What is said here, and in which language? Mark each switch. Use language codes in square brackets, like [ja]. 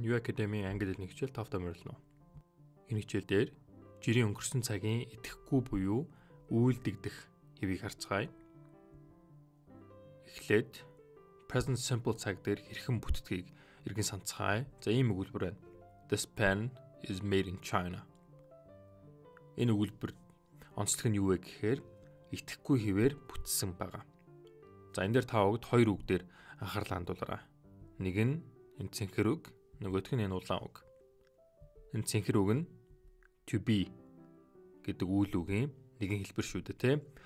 [mn] New Academy англи хэлний хичээл 5 дахь морилно. Энэ хичээл дээр жирийн өнгөрсөн цагийн итгэхгүй буюу үйлдэгдэх хэвийг харцгаая. Эхлээд present simple цаг дээр хэрхэн бүтдгийг эргэн санацгаая. За ийм өгүүлбэр байна. [en] This pen is made in China. [mn] Энэ өгүүлбэр онцлог нь юу вэ гэхээр итгэхгүй хэвээр бүтсэн байгаа. За энэ дээр та бүгд хоёр үг дээр анхаарал хандуулаарай. Нэг нь энэ цэнхэр үг, нөгөөх нь энэ улаан үг. Энэ цэнхэр үг нь to be гэдэг үйл үгийн нэгэн хэлбэр шүү дээ, тийм.